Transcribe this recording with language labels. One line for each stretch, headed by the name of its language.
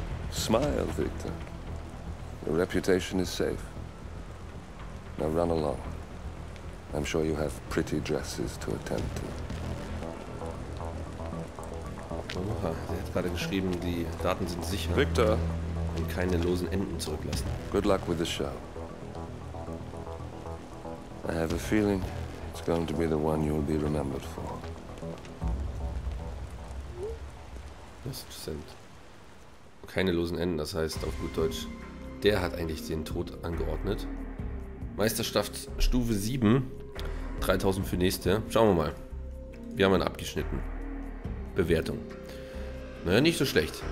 English: Smile, Victor. Your reputation is safe. Now run along. I'm sure you have pretty dresses to attend to.
German: Oha, sie hat gerade geschrieben, die Daten sind sicher.
English: Victor!
German: Und keine losen Enden zurücklassen.
English: Good luck with the show. I have a feeling it's going to be the one you'll be remembered for.
German: Das sind keine losen Enden, das heißt auf gut Deutsch, der hat eigentlich den Tod angeordnet. Meisterschaft Stufe 7, 3000 für nächste. Schauen wir mal. Wir haben einen abgeschnitten. Bewertung. Naja, nicht so schlecht.